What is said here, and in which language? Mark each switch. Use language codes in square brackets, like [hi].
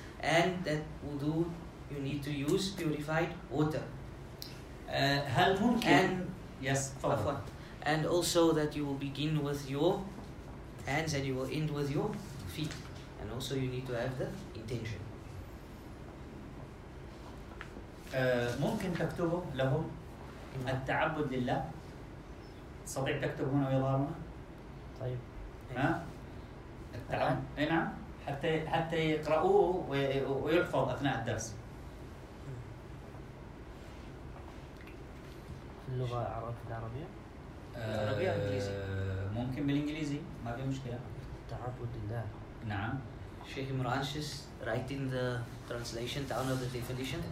[en] And that wudu you need to use purified water. [ar] هل ممكن؟ [en] And yes, for. And also that you will begin with your hands and you will end with your feet. And also you need to have the intention. [ar] ممكن تكتبه لهم التعبد لله. تستطيع تكتب هنا ويظهرنا. طيب. ها؟ التعبد. نعم. حتى يقرأوه ويحفظ أثناء الدرس. اللغة العربية؟ العربية إنجليزي. ممكن بالإنجليزي ما في مشكلة. تعبد لله. نعم. [en] Sheikh Imran is writing the translation down of the definition.